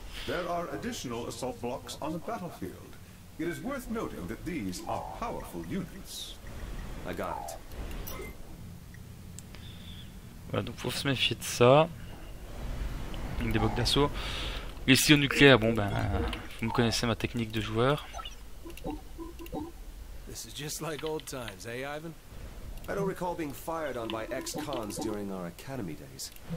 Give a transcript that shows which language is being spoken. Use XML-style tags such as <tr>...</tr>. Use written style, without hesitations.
<en>There are additional assault blocks on the battlefield. It is worth noting that these are powerful units. I got it.</en> <fr>Voilà, donc faut se méfier de ça. Des blocs d'assaut. Les sillons nucléaires, bon ben, vous me connaissez ma technique de joueur.</fr> <en>This is just like old times, eh, Ivan? I don't recall being fired on by ex-cons during our academy days.</en>